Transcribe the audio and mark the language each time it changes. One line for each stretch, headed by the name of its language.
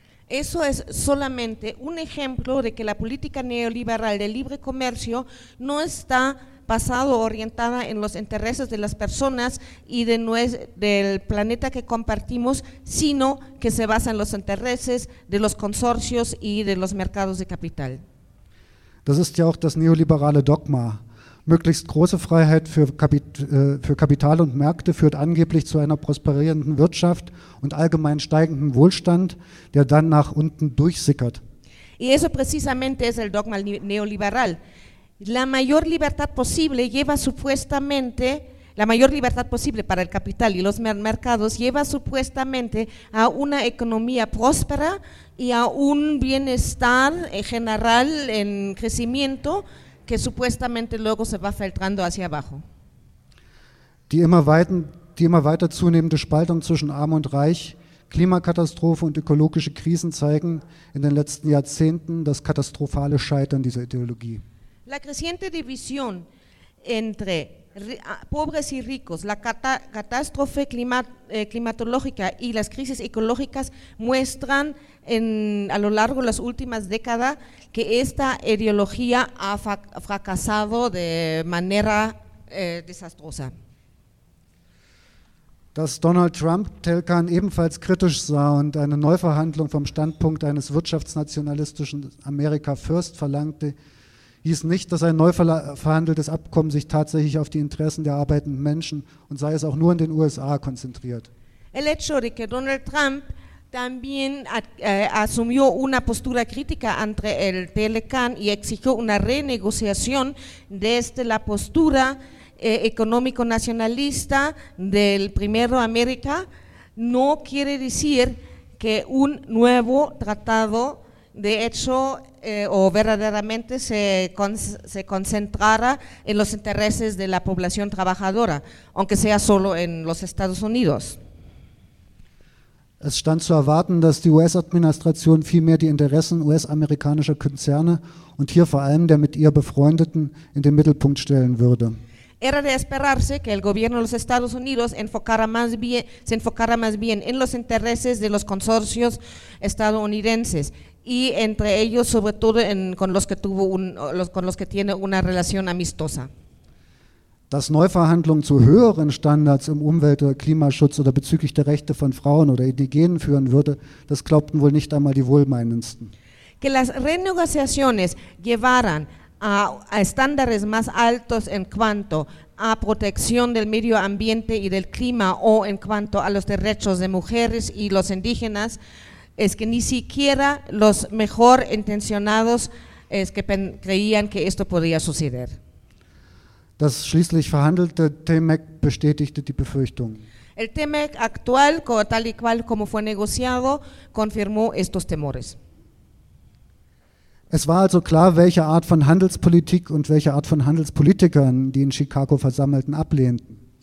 Spanish: Eso es solamente un ejemplo de que la política neoliberal de libre comercio no está basado orientada en los intereses de las personas y de del planeta que compartimos, sino que se basa en los intereses de los consorcios y de los mercados de capital.
German: Das ist ja auch das neoliberale Dogma. Möglichst große Freiheit für Kapital und Märkte führt angeblich zu einer prosperierenden Wirtschaft und allgemein steigendem Wohlstand, der dann nach unten durchsickert.
Spanish: Y eso precisamente es el dogma neoliberal. La mayor libertad posible lleva supuestamente, la mayor libertad posible para el capital y los mercados lleva supuestamente a una economía próspera y a un bienestar general en crecimiento que supuestamente luego se va filtrando hacia abajo.
German: Die immer weiter zunehmende Spaltung zwischen Arm und Reich, Klimakatastrophe und ökologische Krisen zeigen in den letzten Jahrzehnten das katastrophale Scheitern dieser Ideologie.
Spanish: La creciente división entre pobres y ricos, la catástrofe climatológica y las crisis ecológicas muestran a lo largo de las últimas décadas que esta ideología ha fracasado de manera desastrosa.
German: Dass Donald Trump Telkan ebenfalls kritisch sah und eine Neuverhandlung vom Standpunkt eines wirtschaftsnationalistischen America First verlangte, hieß nicht, dass ein neu verhandeltes Abkommen sich tatsächlich auf die Interessen der arbeitenden Menschen und sei es auch nur in den USA konzentriert.
Spanish: El hecho de que Donald Trump también asumió una postura crítica ante el TLCAN y exigió una renegociación desde la postura económico-nacionalista del primero América no quiere decir que un nuevo tratado de hecho o verdaderamente se concentrara en los intereses de la población trabajadora, aunque sea solo en los Estados Unidos.
German: Es stand zu erwarten, dass die US-Administration vielmehr die Interessen US-amerikanischer Konzerne und hier vor allem der mit ihr Befreundeten in den Mittelpunkt stellen würde.
Spanish: Era de esperarse que el gobierno de los Estados Unidos se enfocara más bien en los intereses de los consorcios estadounidenses y entre ellos sobre todo con los que tiene una relación amistosa.
German: Dass Neuverhandlungen zu höheren Standards im Umwelt- oder Klimaschutz oder bezüglich der Rechte von Frauen oder Indigenen führen würde, das glaubten wohl nicht einmal die Wohlmeinendsten.
Spanish: Que las renegociaciones llevaran a estándares más altos en cuanto a protección del medio ambiente y del clima o en cuanto a los derechos de mujeres y los indígenas, es que ni siquiera los mejor intencionados es que creían que esto podía suceder.
German: Das schließlich verhandelte T-MEC bestätigte die Befürchtung.
Spanish: El T-MEC actual, tal y cual como fue negociado, confirmó estos temores.
German: Es war also klar, welche Art von Handelspolitik und welche Art von Handelspolitikern die in Chicago Versammelten ablehnten.